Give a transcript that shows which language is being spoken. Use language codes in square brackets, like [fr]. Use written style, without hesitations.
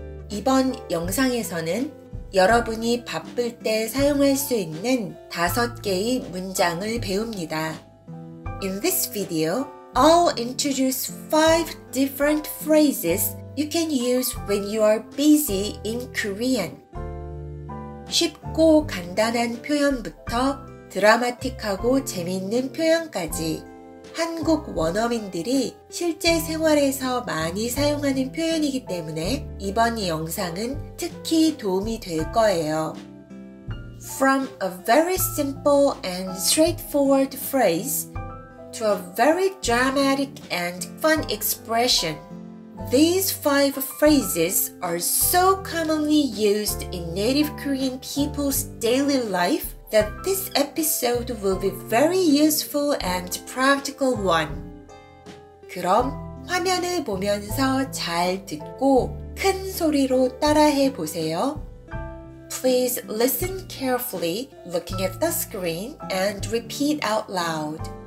[ko] 이번 영상에서는 여러분이 바쁠 때 사용할 수 있는 다섯 개의 문장을 배웁니다. [en] In this video, I'll introduce five different phrases you can use when you are busy in Korean. [ko] 쉽고 간단한 표현부터 드라마틱하고 재미있는 표현까지 한국 원어민들이 실제 생활에서 많이 사용하는 표현이기 때문에 이번 영상은 특히 도움이 될 거예요. [en] From a very simple and straightforward phrase to a very dramatic and fun expression, these five phrases are so commonly used in native Korean people's daily life that this episode will be very useful and practical one. [ko] 그럼 화면을 보면서 잘 듣고 큰 소리로 따라해 보세요. [en] Please listen carefully, looking at the screen, and repeat out loud.